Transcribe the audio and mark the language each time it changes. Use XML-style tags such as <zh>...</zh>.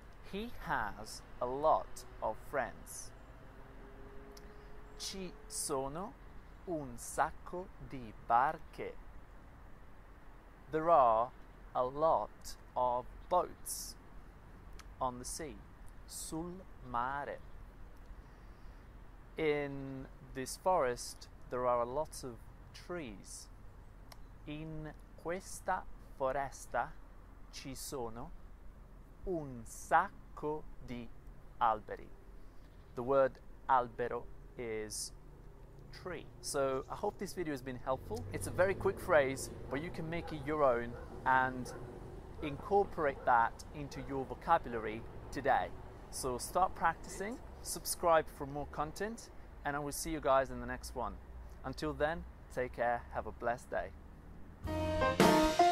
<en>He has a lot of friends.</en> <it>Ci sono un sacco di barche.</it> <en>There are a lot of boats on the sea.</en> <it>Sul mare.</it> <en>In this forest, there are a lot of trees.</en> <it>In questa foresta ci sono un sacco di alberi.</it> <en>The word albero is tree. So I hope this video has been helpful. It's a very quick phrase, but you can make it your own and incorporate that into your vocabulary today. So start practicing, subscribe for more content, and I will see you guys in the next one. Until then, take care, have a blessed day.</en>